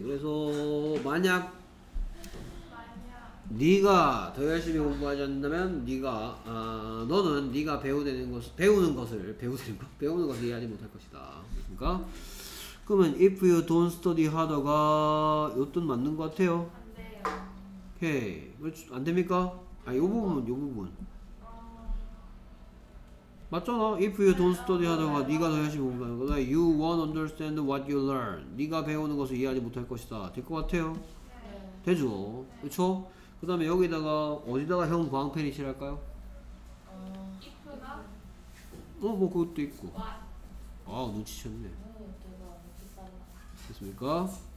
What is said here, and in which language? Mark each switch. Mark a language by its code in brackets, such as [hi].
[ko] 그래서 만약 네가 더 열심히 공부하지 않는다면 네가 너는 네가 배우는 것을 이해하지 못할 것이다. 그러니까 그러면 if you don't study harder 가 요 뜻 맞는 것 같아요. 안 돼요. 오케이. 안 됩니까? 아 요 부분 요 부분 맞잖아. [en] If you don't study harder가 네가 더 열심히 공부하는 것 you won't understand what you learn. [ko] 네가 배우는 것을 이해하지 못할 것이다. 될 것 같아요. 네. 되죠. 그렇죠? 그 다음에 여기다가 어디다가 형 광팬이 칠할까요? 이프나? 뭐 그것도 있고 와. 아 눈치챘네. 내가 됐습니까?